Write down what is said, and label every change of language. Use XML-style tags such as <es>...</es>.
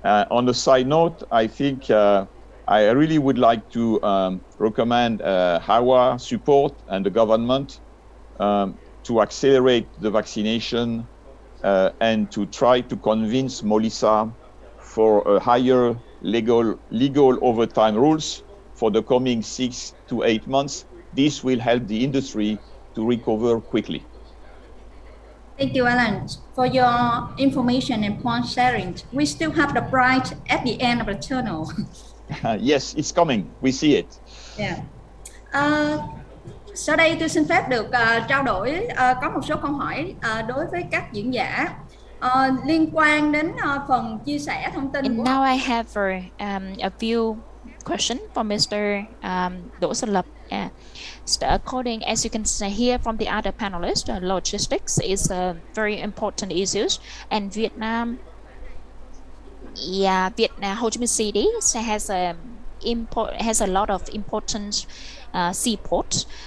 <en>On a side note, I think I really would like to recommend HAWA support and the government to accelerate the vaccination and to try to convince Molissa for a higher legal overtime rules for the coming 6 to 8 months. This will help the industry to recover quickly. Thank you, Alan, for your information and point sharing. We still have the bright at the end of the tunnel. Yes, it's coming. We see it. Yeah.</en> <vi>Sau đây tôi xin phép được trao đổi có một số câu hỏi đối với các diễn giả liên quan đến phần chia sẻ thông tin.</vi> <en>And now I have for a few questions for Mr. Đỗ Xuân Lập. According as you can see here from the other panelists, logistics is a very important issue, and Vietnam Ho Chi Minh City has a lot of important seaport.</en>